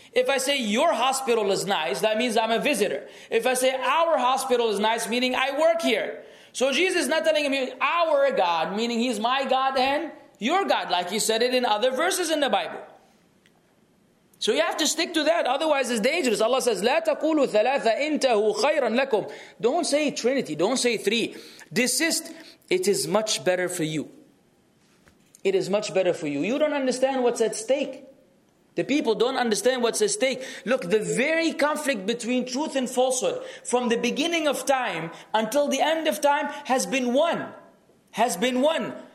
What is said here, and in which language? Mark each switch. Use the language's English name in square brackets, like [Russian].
[English] If I say your hospital is nice, that means I'm a visitor. If I say our hospital is nice, meaning I work here. So Jesus is not telling him our God, meaning He's my God and your God, like He said it in other verses in the Bible. So you have to stick to that, otherwise it's dangerous. Allah says, [Arabic] لَا تَقُولُوا ثَلَاثَ إِنْتَهُ خَيْرًا لَكُمْ. [English] Don't say Trinity, don't say three. Desist, it is much better for you. It is much better for you. You don't understand what's at stake. The people don't understand what's at stake. Look, the very conflict between truth and falsehood from the beginning of time until the end of time has been won. Has been won.